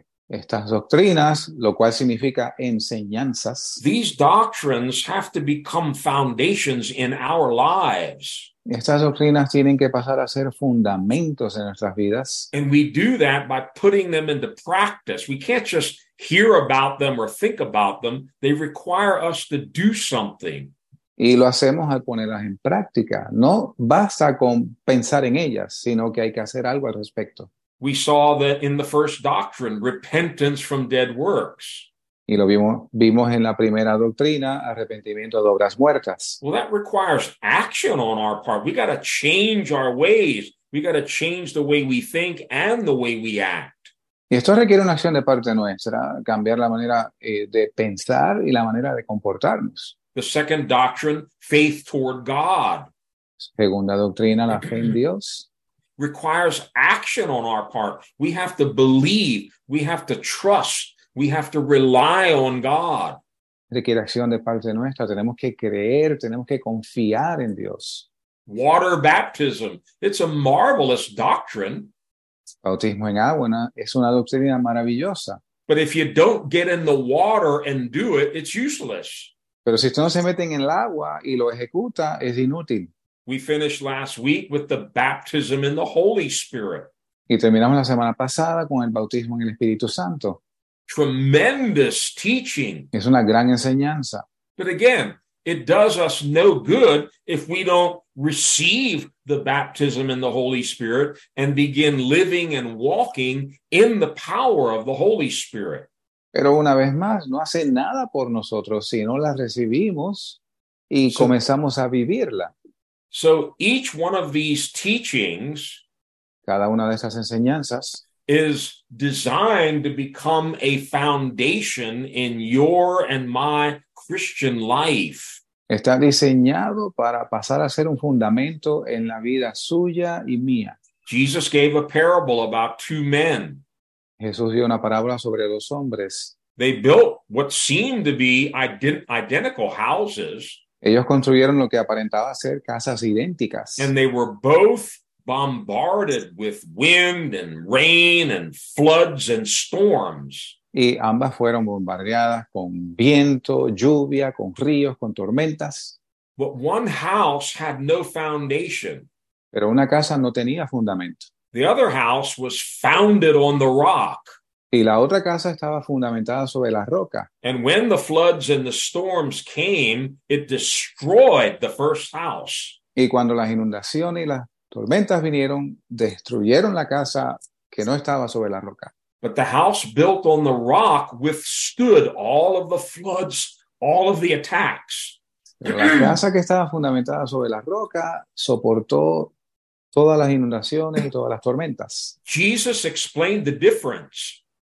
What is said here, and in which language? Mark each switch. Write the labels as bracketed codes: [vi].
[es] Estas doctrinas, lo cual significa enseñanzas. [en] These doctrines have to become foundations in our lives. [es] Estas doctrinas tienen que pasar a ser fundamentos en nuestras vidas. [en] And we do that by putting them into practice. We can't just hear about them or think about them. They require us to do something. [es] Y lo hacemos al ponerlas en práctica. No basta con pensar en ellas, sino que hay que hacer algo al respecto. [en] We saw that in the first doctrine, repentance from dead works. [es] Y lo vimos en la primera doctrina, arrepentimiento de obras muertas. [en] Well, that requires action on our part. We got to change our ways. We got to change the way we think and the way we act. [es] Y esto requiere una acción de parte nuestra, cambiar la manera de pensar y la manera de comportarnos. [en] The second doctrine, faith toward God. [es] Segunda doctrina, la fe en Dios. [en] Requires action on our part. We have to believe, we have to trust, we have to rely on God. [es] Requiere acción de parte nuestra. Tenemos que creer, tenemos que confiar en Dios. [en] Water baptism. It's a marvelous doctrine. [es] Bautismo en agua, ¿no? Es una doctrina maravillosa. [en] But if you don't get in the water and do it, it's useless. [es] Pero si usted no se mete en el agua y lo ejecuta, es inútil. [en] We finished last week with the baptism in the Holy Spirit. [es] Y terminamos la semana pasada con el bautismo en el Espíritu Santo. [en] Tremendous teaching. [es] Es una gran enseñanza. [en] But again, it does us no good if we don't receive the baptism in the Holy Spirit and begin living and walking in the power of the Holy Spirit. [es] Pero una vez más, no hace nada por nosotros si no la recibimos y comenzamos a vivirla. [en] So each one of these teachings, [es] cada una de esas enseñanzas, [en] is designed to become a foundation in your and my Christian life. [es] Está diseñado para pasar a ser un fundamento en la vida suya y mía. [en] Jesus gave a parable about two men. [es] Jesús dio una parábola sobre dos hombres. [en] They built what seemed to be identical houses. [es] Ellos construyeron lo que aparentaba ser casas idénticas. [en] And they were both bombarded with wind and rain and floods and storms. [es] Y ambas fueron bombardeadas con viento, lluvia, con ríos, con tormentas. [en] But one house had no foundation. [es] Pero una casa no tenía fundamento. [en] The other house was founded on the rock. [es] Y la otra casa estaba fundamentada sobre la roca. [en] And when the floods and the storms came, it destroyed the first house. [es] Y cuando las inundaciones y las tormentas vinieron, destruyeron la casa que no estaba sobre la roca. [en] But the house built on the rock withstood all of the floods, all of the attacks. [es] Pero la casa que estaba fundamentada sobre la roca soportó todas las inundaciones y todas las tormentas. [en] Jesus explained the difference.